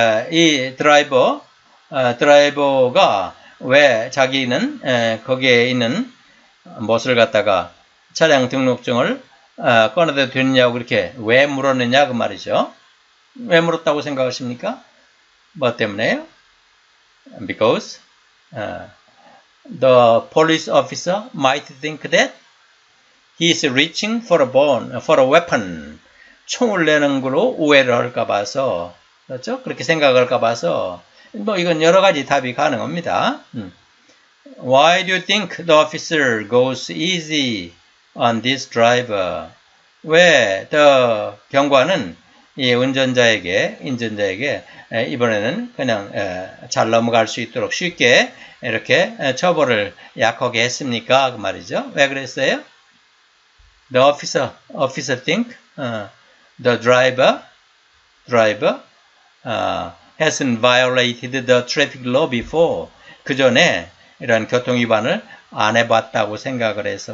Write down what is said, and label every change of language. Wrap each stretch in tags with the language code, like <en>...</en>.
<ko>Driver가 왜 자기는 거기에 있는 무엇을 갖다가 차량 등록증을 꺼내도 되느냐고 이렇게 왜 물었느냐 그 말이죠. 왜 물었다고 생각하십니까? 뭐 때문에요?</ko> <en>Because the police officer might think that he is reaching for a weapon.</en> <ko>총을 내는 걸로 오해를 할까 봐서. 그렇죠? 그렇게 생각할까 봐서 뭐 이건 여러 가지 답이 가능합니다.</ko> <en>Why do you think the officer goes easy on this driver?</en> <ko>왜 the 경관은 이 운전자에게 이번에는 그냥 잘 넘어갈 수 있도록 쉽게 이렇게 처벌을 약하게 했습니까? 그 말이죠. 왜 그랬어요?</ko> <en>The officer, officer think, the driver, hasn't violated the traffic law before.</en> <ko>그 전에 이런 교통위반을 안 해봤다고 생각을 해서.</ko>